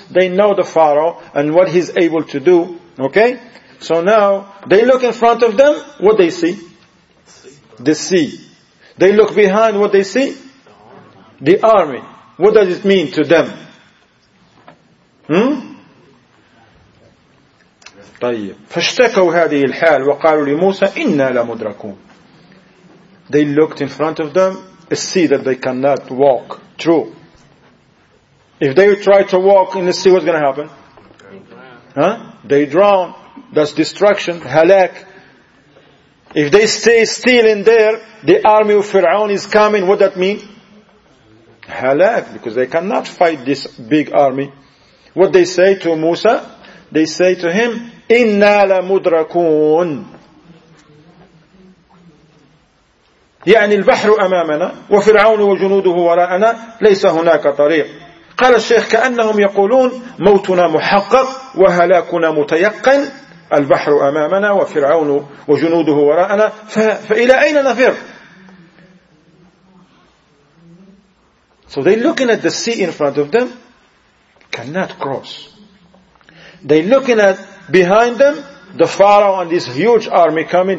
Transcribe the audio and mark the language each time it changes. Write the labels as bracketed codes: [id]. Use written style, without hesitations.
[en] They know the Pharaoh and what he's able to do. Okay? So now they look in front of them. What they see? The sea. They look behind. What they see? The army. What does it mean to them? [ar] طيب. فاشتكوا هذه الحال وقالوا لموسى إنا لمدركون. [en] They looked in front of them, a sea that they cannot walk through. If they try to walk in the sea, what's going to happen? Huh? They drown. That's destruction. Halak. If they stay still in there, the army of Fir'aun is coming. What that mean? Halak, because they cannot fight this big army. What they say to Musa? They say to him, Inna la mudrakun. [ar] يعني البحر أمامنا وفرعون وجنوده وراءنا ليس هناك طريق. قال الشيخ كأنهم يقولون موتنا محقق وهلاكنا متيقن. البحر أمامنا وفرعون وجنوده وراءنا فإلى أين نفر؟ [en] So they're looking at the sea in front of them, cannot cross. They're looking at behind them, the Pharaoh and this huge army coming.